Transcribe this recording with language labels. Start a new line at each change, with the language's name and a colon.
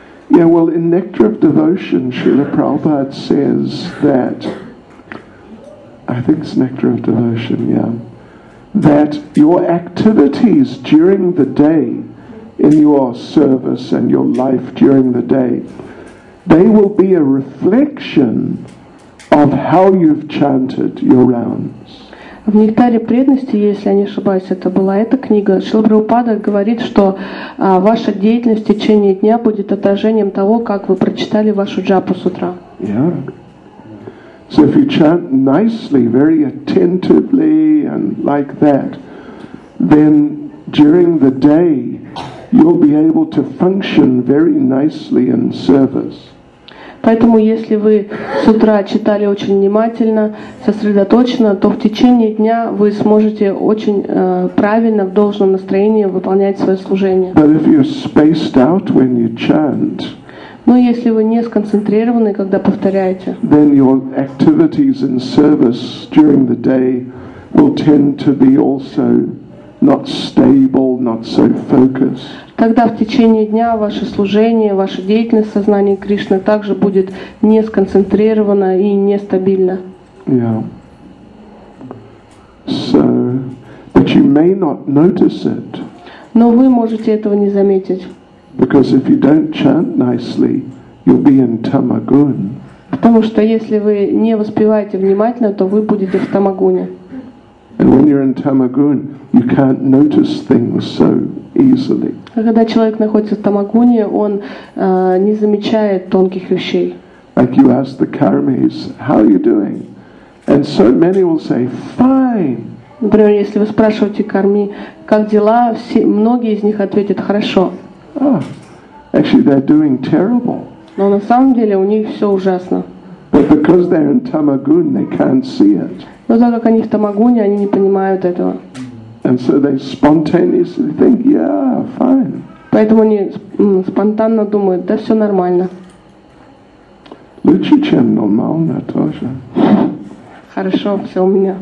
English: Yeah, well, in Nectar of Devotion, Srila Prabhupada says that, I think it's Nectar of Devotion, yeah, that your activities during the day in your service and your life during the day, they will be a reflection of how you've chanted your rounds.
Russian: В «Нектаре преданности», если я не ошибаюсь, это была эта книга, Шрила Прабхупада говорит, что ваша деятельность в течение дня будет отражением того, как вы прочитали вашу джапу с утра.
English: Yeah. So if you chant nicely, very attentively and like that, then during the day you'll be able to function very nicely in service.
Russian: Поэтому, если вы с утра читали очень внимательно, сосредоточенно, то в течение дня вы сможете очень правильно, в должном настроении выполнять свое служение.
English: But if you're spaced out when you chant,
Russian: но если вы не сконцентрированы, когда повторяете,
English: then your activities in service during the day will tend to be also not stable, not so focused.
Russian: Тогда в течение дня ваше служение, ваша деятельность в сознании Кришны также будет не сконцентрирована и нестабильна.
English: Yeah. So, but you may not notice it.
Russian: Но вы можете этого не заметить.
English: Because if you don't chant nicely, you'll be in tamagun.
Russian: Потому что если вы не воспеваете внимательно, то вы будете в тамагуне.
English: And when you're in tamagun, you can't notice things so easily.
Russian: Когда человек находится в тамагуне, он не замечает тонких вещей.
English: Like you ask the karmis, how are you doing? And so many will say, fine.
Russian: Например, если вы спрашиваете карми, как дела, все, многие из них ответят, хорошо.
English: Oh, actually, they're doing terrible.
Russian: Но на самом деле у них все ужасно.
English: But because they're in tamagun, they can't see it.
Russian: Но так как они в тамагуне, они не понимают этого.
English: And so they spontaneously think, yeah, fine.
Russian: Поэтому они спонтанно думают, да все нормально. Лучше, чем нормально тоже. Хорошо, все у меня.